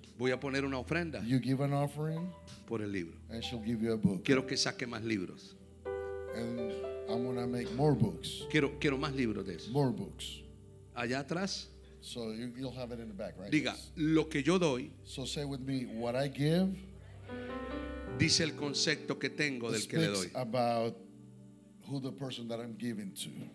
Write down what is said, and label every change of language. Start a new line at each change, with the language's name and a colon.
Spanish: voy a poner una ofrenda.
English: You give an offering
Spanish: por el libro.
English: And she'll give you a book.
Spanish: Quiero que saque más libros.
English: And I'm gonna make more books.
Spanish: Quiero más libros de eso.
English: More books.
Spanish: Allá atrás.
English: So you'll have it in the back, right?
Spanish: Diga, lo que yo doy.
English: So say with me, what I give.
Spanish: Dice el concepto que tengo del que le doy.
English: Speaks about who the person that I'm giving to.